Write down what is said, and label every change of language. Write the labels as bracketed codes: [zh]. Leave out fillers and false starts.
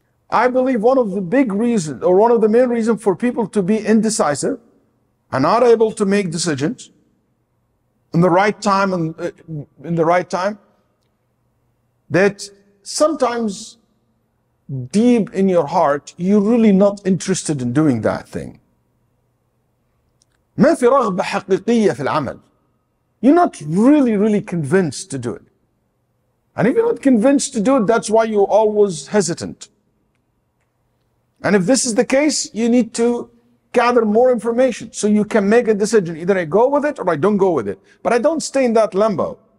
[en] I believe one of the big reasons, or one of the main reasons for people to be indecisive and not able to make decisions in the right time, that sometimes deep in your heart, you're really not interested in doing that thing. [ar] ما في رغبة حقيقية في العمل. [en] You're not really, really convinced to do it. And if you're not convinced to do it, that's why you're always hesitant. And if this is the case, you need to gather more information so you can make a decision. Either I go with it or I don't go with it. But I don't stay in that limbo.